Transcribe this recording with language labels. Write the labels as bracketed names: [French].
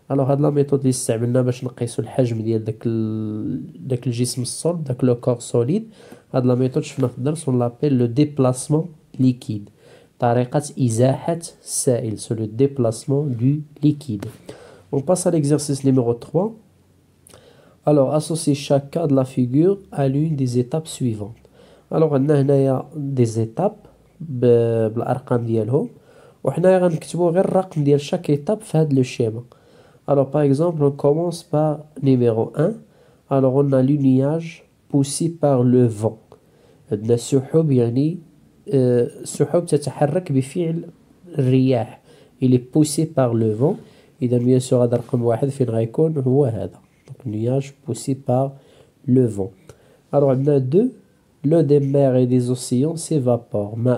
[Arabic] الوغ هاد لا ميثود اللي استعملنا باش نقيسو الحجم ديال داك الجسم الصلب داك لو كور سوليد، هاد لا ميثود شفنا في الدرس ونلابيل [French] لو ديبلاسمون ليكيد، [Arabic] طريقه ازاحه السائل، [French] سو لو ديبلاسمون دو ليكيد. اون باس على ليكزيرسيس نيميرو 3. Alors, associez chaque cas de la figure à l'une des étapes suivantes. Alors, on a [Arabic] هنايا [French] des étapes [Arabic] بالارقام ديالهم، وحنايا غنكتبوا غير الرقم ديال [French] chaque étape [Arabic] في هذا لو schéma. [French] Alors, par exemple, on commence par numéro 1. Alors, on a l'unillage poussé par le vent. [Arabic] عندنا سحب، يعني سحب تتحرك بفعل الرياح. [French] Il est poussé par le vent. [Arabic] اذا [French] bien sûr [Arabic] هذا رقم واحد فين غيكون هو هذا. [French] Donc, nuage poussé par le vent. Alors, on a deux. L'eau des mers et des océans s'évapore.